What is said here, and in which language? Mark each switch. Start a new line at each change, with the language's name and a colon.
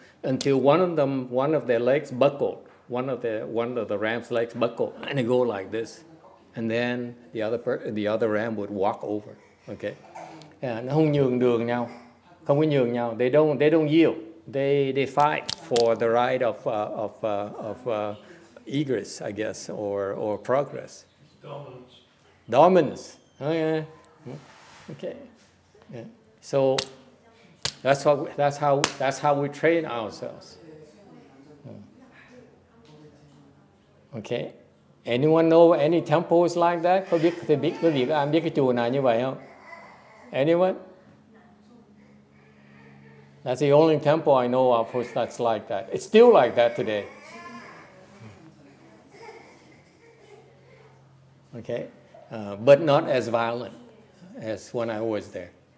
English: Until one of the ram's legs buckled, and it go like this, and then the other ram would walk over.
Vietnamese: Okay, and không nhường đường nhau, không có nhường nhau.
English: They don't yield. They fight for the right of egress, I guess, or progress. Dominance. Oh yeah. Okay. Yeah. So. That's how we train ourselves. Okay, anyone know any temples like that?
Vietnamese: Có biết thì biết có biết ai biết cái chùa nào như vậy không?
English: Anyone? That's the only temple I know of that's like that. It's still like that today. Okay, but not as violent as when I was there.